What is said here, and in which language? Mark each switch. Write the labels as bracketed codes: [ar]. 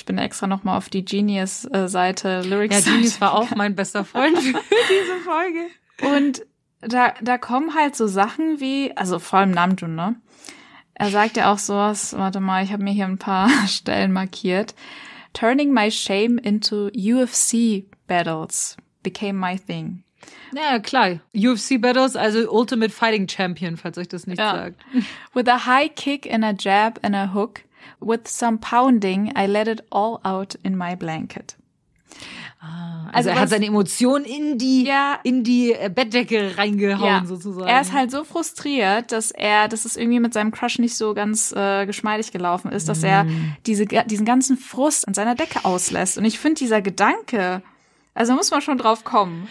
[de] Ich bin extra nochmal auf die Genius-Seite Lyrics. Ja, Genius war auch mein bester Freund für diese Folge. Und da kommen halt so Sachen wie, also vor allem Namjoon, ne? Er sagt ja auch sowas, warte mal, ich habe mir hier ein paar Stellen markiert. [en] Turning my shame into UFC battles became my thing. [de] Ja, klar. UFC battles, also Ultimate Fighting Champion, falls euch das nicht sagt. [en] With a high kick and a jab and a hook, with some pounding, I let it all out in my blanket. [de] Also er hat seine Emotionen in die Bettdecke reingehauen, sozusagen. Er ist halt so frustriert, dass es irgendwie mit seinem Crush nicht so ganz geschmeidig gelaufen ist, dass er diesen ganzen Frust an seiner Decke auslässt. Und ich finde dieser Gedanke, also muss man schon drauf kommen.